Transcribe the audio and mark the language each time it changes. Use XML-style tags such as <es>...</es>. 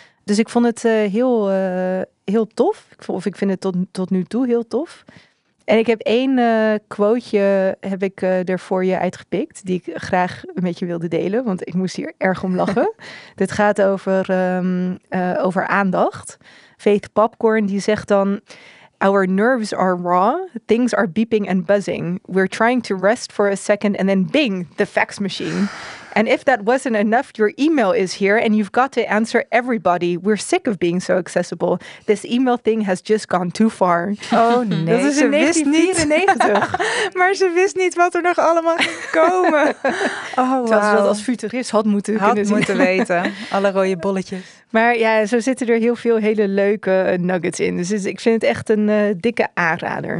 <nl>Dus ik vond het heel tof. Ik vind het tot nu toe heel tof. En ik heb één quoteje er voor je uitgepikt die ik graag met je wilde delen, want ik moest hier erg om lachen. Dit gaat over, over aandacht.</nl> <en>Faith Popcorn</en> <nl>die zegt dan:</nl> <en>"Our nerves are raw. Things are beeping and buzzing. We're trying to rest for a second and then bing, the fax machine. And if that wasn't enough, your email is here and you've got to answer everybody. We're sick of being so accessible. This email thing has just gone too far.</en> <nl>Oh nee, dat is ze wist niet. Maar ze wist niet wat er nog allemaal komen. Oh, wow. Terwijl ze dat als futurist had moeten weten. Alle rode bolletjes. Maar ja, zo zitten er heel veel hele leuke nuggets in. Dus ik vind het echt een dikke aanrader.</nl>